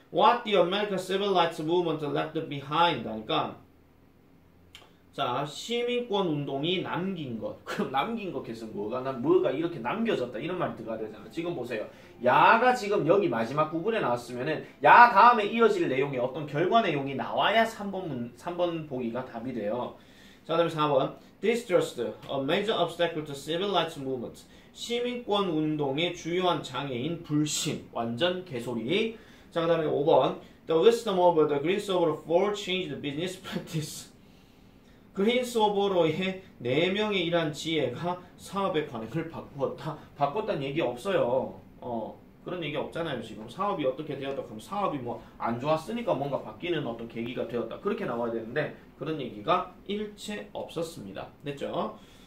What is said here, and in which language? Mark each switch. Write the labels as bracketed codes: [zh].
[en] What the American Civil Rights Movement left behind. [ko] 하니까. 자, 시민권 운동이 남긴 것. 그럼 남긴 것 계속 뭐가 이렇게 남겨졌다. 이런 말이 들어가야 되잖아. 지금 보세요. 야가 지금 여기 마지막 부분에 나왔으면은, 야 다음에 이어질 내용이 어떤 결과 내용이 나와야 3번 보기가 답이 돼요. 자, 그 다음에 4번. [en] Distrust, a major obstacle to civil rights movement. [ko] 시민권 운동의 주요한 장애인 불신. 완전 개소리. 자, 그 다음에 5번. [en] The wisdom of the Green Sober for changed business practice. [ko] 그린 소보로의 4명의 일한 지혜가 사업의 관행을 바꾸었다. 바꿨다는 얘기 없어요. 그런 얘기 없잖아요, 지금. 사업이 어떻게 되었다. 그럼 사업이 뭐 안 좋았으니까 뭔가 바뀌는 어떤 계기가 되었다. 그렇게 나와야 되는데, 그런 얘기가 일체 없었습니다. 됐죠?